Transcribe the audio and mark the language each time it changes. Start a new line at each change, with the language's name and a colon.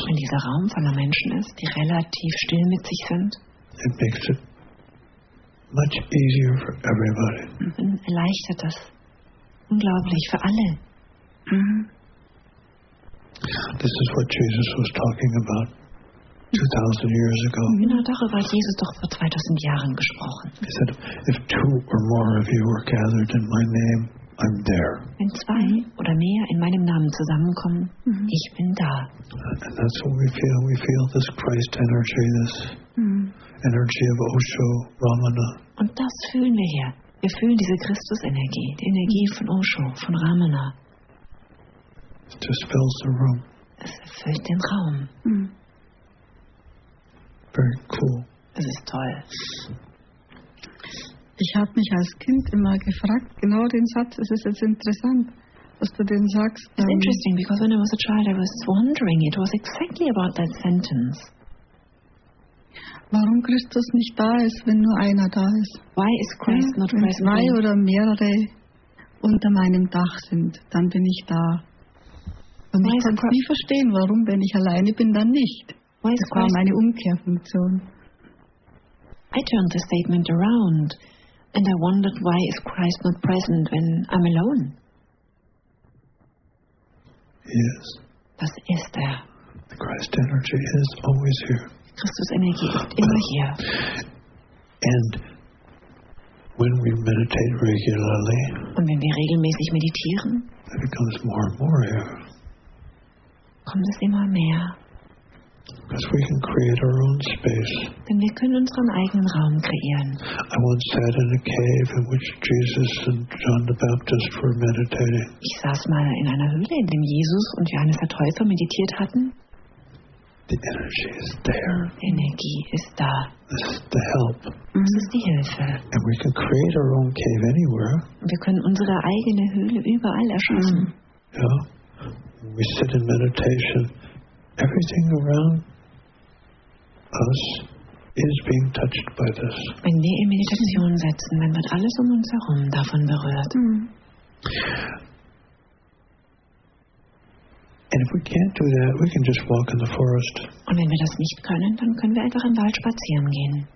German: Wenn dieser Raum voller Menschen ist, die relativ still mit sich sind,
English: it makes it much easier for everybody.
German: Dann erleichtert das unglaublich für alle.
English: This is what Jesus was talking about 2000 years ago.
German: Genau darüber hat Jesus doch vor 2000 Jahren gesprochen.
English: He said, if two or more of you were gathered in my name, I'm there.
German: Wenn 2 oder mehr in meinem Namen zusammenkommen, ich bin da.
English: And that's what we feel. We feel this Christ energy, this energy of Osho, Ramana.
German: Und das fühlen wir hier. Wir fühlen diese Christus-Energie, die Energie von Osho, von Ramana.
English: It just fills the room.
German: Es erfüllt den Raum.
English: Very cool.
German: Es ist toll. Ich habe mich als Kind immer gefragt, genau den Satz, es ist jetzt interessant, was du den sagst.
English: It's interesting, because when I was a child, I was wondering, it was exactly about that sentence.
German: Warum Christus nicht da ist, wenn nur einer da ist?
English: Why is Christ not present?
German: Wenn 2 oder mehrere unter meinem Dach sind, dann bin ich da. Und ich kann nie verstehen, warum, wenn ich alleine bin, dann nicht.
English: Why
German: das war meine Umkehrfunktion.
English: I turned the statement around. And I wondered, why is Christ not present when I'm alone? Yes.
German: Das ist er.
English: The Christ energy is always here.
German: Christus Energie ist immer hier.
English: And when we meditate regularly,
German: und wenn wir regelmäßig meditieren,
English: it becomes more and more here.
German: Kommt es immer mehr.
English: Because we can create our own space.
German: Denn wir können unseren eigenen Raum kreieren.
English: I once sat in a cave in which Jesus and John the Baptist were meditating.
German: Ich saß mal in einer Höhle, in dem Jesus und Johannes der Täufer meditiert hatten.
English: The energy is there.
German: Energie ist da.
English: This is the help.
German: Das ist die Hilfe.
English: And we can create our own cave anywhere.
German: Wir können unsere eigene Höhle überall erschaffen.
English: Yeah. We sit in meditation. Everything around us is being touched by this.
German: Wenn wir in Meditation setzen, dann wird alles um uns herum davon berührt.
English: And if we can't do that, we can just walk in the forest.
German: Und wenn wir das nicht können, dann können wir einfach im Wald spazieren gehen.